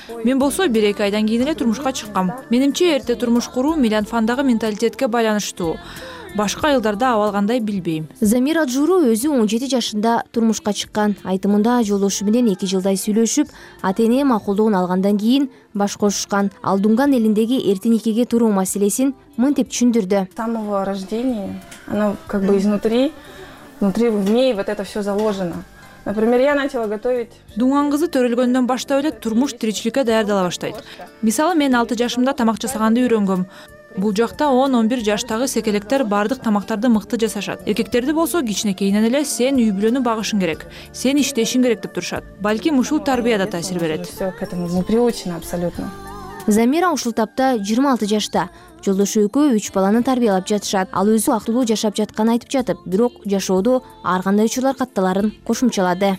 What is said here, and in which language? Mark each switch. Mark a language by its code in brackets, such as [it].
[ky] Мен болсо 1-2 айдан кийин эле турмушка чыккам. Менимче эрте турмуш куруу Миланфандагы менталитетке байланыштуу. Башка айылдарда абал кандай билбейм. Замира Джуру өзү 17 жашында турмушка чыккан. Айтымында жолдошу менен 2 жылдай сүйлөшүп, ата-эне макулдугун алгандан кийин баш кошушкан. Ал Дунган элиндеги эртеникеге туруу маселесин мынтип түшүндүрдү. [ru] Самого рождения, оно как бы изнутри в ней вот это всё заложено. Например, я начала готовить. [ky] Дунган кызы төрөлгөндөн баштап эле турмуш тиричиликке даярдала баштайт. Мисалы, мен 6 жашымда тамак жасаганды үйрөнгөм. Бул жакта 10-11 жаштагы секелектер бардык тамактарды мыкты жасашат. Эркектерди болсо кичинекейинен эле сен үй бүлөнү багышың керек, сен иштешиң керек деп турушат. Балким ушул тарбия да таасир берет. [ru] Все к этому не приучено абсолютно. [ky] Замира ушул тапта 26 жашта. Жолдошу экөө 3 баланы тарбиялап жатышат. Ал өзү актылуу жашап жатканын айтып жатып, бирок жашоодо ар кандай учурлар катталарын кошумчалады.